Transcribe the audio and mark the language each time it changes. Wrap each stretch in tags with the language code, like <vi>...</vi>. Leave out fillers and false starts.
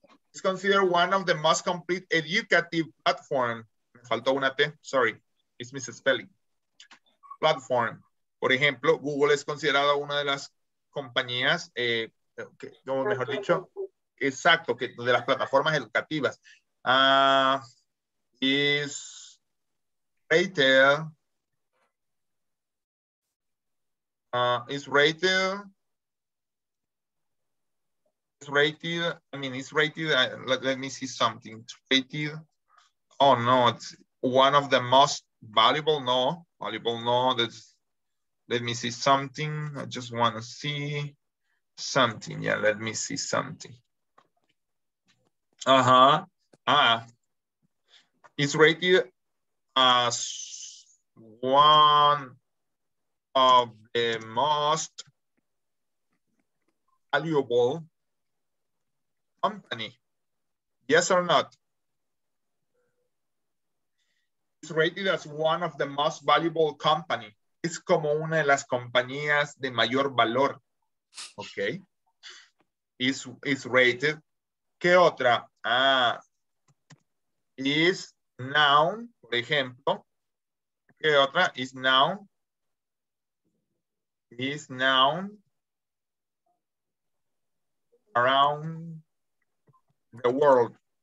<en>It's considered one of the most complete educative platforms.</en> <es>Me faltó una T,</es> <en>sorry. It's misspelling. Platform.</en> <es>Por ejemplo, Google es considerada una de las compañías, de las plataformas educativas.</es> <en>Is it's rated as one of the most valuable company. Yes or not? It's rated as one of the most valuable company.</en> <es>Es como una de las compañías de mayor valor.</es> <en>Okay. It's rated.</en> <es>¿Qué otra?</es> <en>Is noun,</en> <es>por ejemplo, ¿qué otra?</es> <en>Is noun around the world.</en>